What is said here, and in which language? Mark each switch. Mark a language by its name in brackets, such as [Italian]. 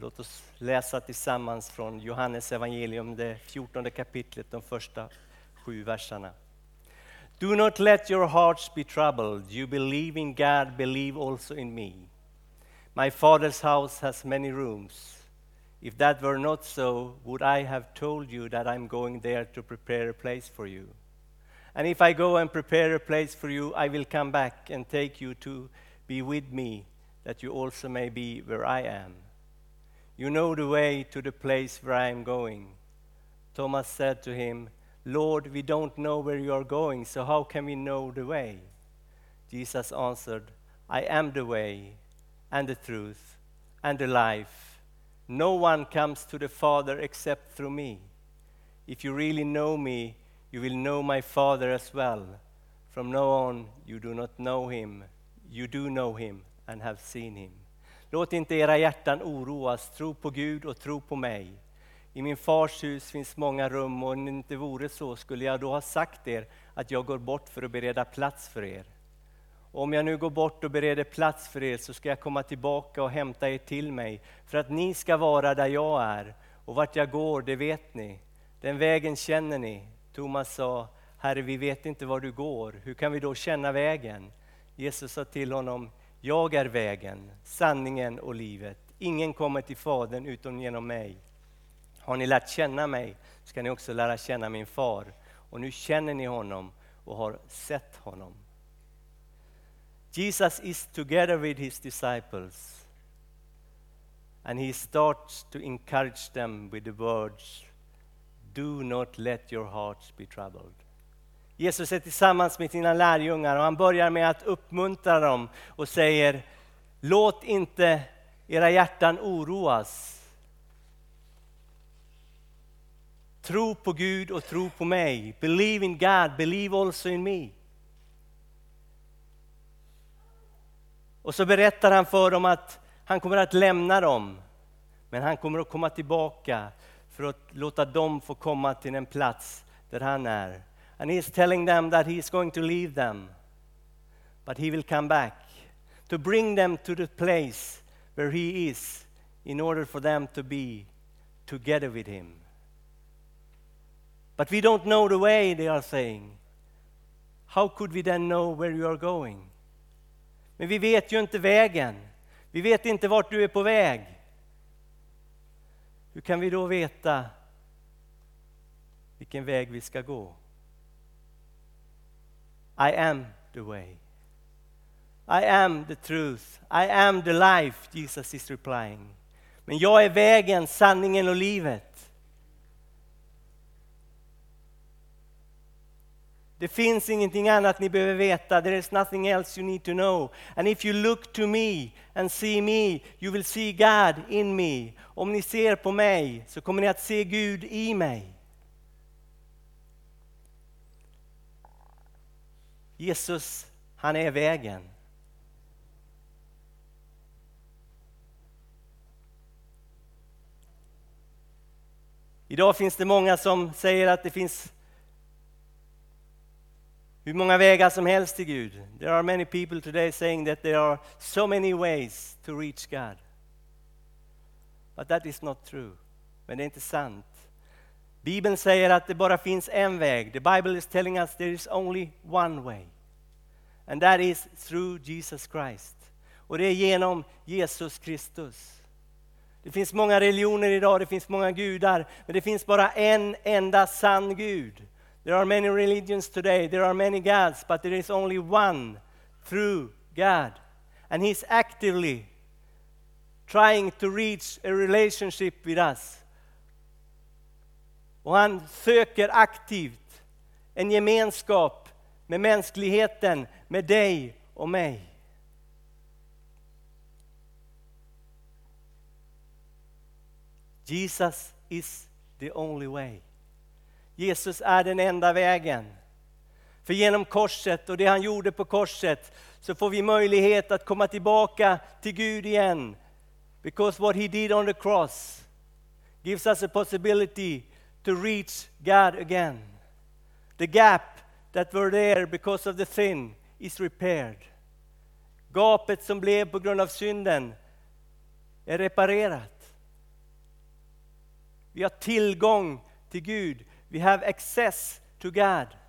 [Swedish] Låt oss läsa tillsammans från Johannes evangelium, det 14 kapitlet, de första 7 verserna. [English] Do not let your hearts be troubled. You believe in God, believe also in me. My father's house has many rooms. If that were not so, would I have told you that I'm going there to prepare a place for you? And if I go and prepare a place for you, I will come back and take you to be with me, that you also may be where I am. You know the way to the place where I am going. Thomas said to him, Lord, we don't know where you are going, so how can we know the way? Jesus answered, I am the way and the truth and the life. No one comes to the Father except through me. If you really know me, you will know my Father as well. From now on, you do not know him. You do know him and have seen him. [Swedish] Låt inte era hjärtan oroas. Tro på Gud och tro på mig. I min fars hus finns många rum, och om det inte vore så skulle jag då ha sagt er att jag går bort för att bereda plats för er. Och om jag nu går bort och bereder plats för er, så ska jag komma tillbaka och hämta er till mig, för att ni ska vara där jag är. Och vart jag går, det vet ni. Den vägen känner ni. Thomas sa, Herre, vi vet inte var du går. Hur kan vi då känna vägen? Jesus sa till honom, jag är vägen, sanningen och livet. Ingen kommer till Fadern utom genom mig. Har ni lärt känna mig, ska ni också lära känna min far. Och nu känner ni honom och har sett honom. [English] Jesus is together with his disciples. And he starts to encourage them with the words, do not let your hearts be troubled. [Swedish] Jesus är tillsammans med sina lärjungar och han börjar med att uppmuntra dem och säger, låt inte era hjärtan oroas. Tro på Gud och tro på mig. [English] Believe in God, believe also in me. [Swedish] Och så berättar han för dem att han kommer att lämna dem, men han kommer att komma tillbaka för att låta dem få komma till en plats där han är. [English] And he is telling them that he is going to leave them, but he will come back to bring them to the place where he is, in order for them to be together with him. But we don't know the way, they are saying. How could we then know where you are going? [Swedish] Men vi vet ju inte vägen. Vi vet inte vart du är på väg. Hur kan vi då veta vilken väg vi ska gå? [English] I am the way. I am the truth. I am the life, Jesus is replying. [Swedish] Men jag är vägen, sanningen och livet. Det finns ingenting annat ni behöver veta. [English] There is nothing else you need to know. And if you look to me and see me, you will see God in me. [Swedish] Om ni ser på mig, så kommer ni att se Gud i mig. Jesus, han är vägen. Idag finns det många som säger att det finns hur många vägar som helst till Gud. [English] There are many people today saying that there are so many ways to reach God. But that is not true. [Swedish] Men det är inte sant. Bibeln säger att det bara finns en väg. [English] The Bible is telling us there is only one way. And that is through Jesus Christ. [Swedish] Och det är genom Jesus Kristus. Det finns många religioner idag, det finns många gudar. Men det finns bara en enda sann Gud. [English] There are many religions today, there are many gods. But there is only one true God. And he's actively trying to reach a relationship with us. [Swedish] Och han söker aktivt en gemenskap med mänskligheten, med dig och mig. [English] Jesus is the only way. [Swedish] Jesus är den enda vägen. För genom korset och det han gjorde på korset, så får vi möjlighet att komma tillbaka till Gud igen. [English] Because what he did on the cross gives us a possibility to reach God again. The gap that were there because of the sin is repaired. [Swedish] Gapet som blev på grund av synden är reparerat. Vi har tillgång till Gud. [English] We have access to God.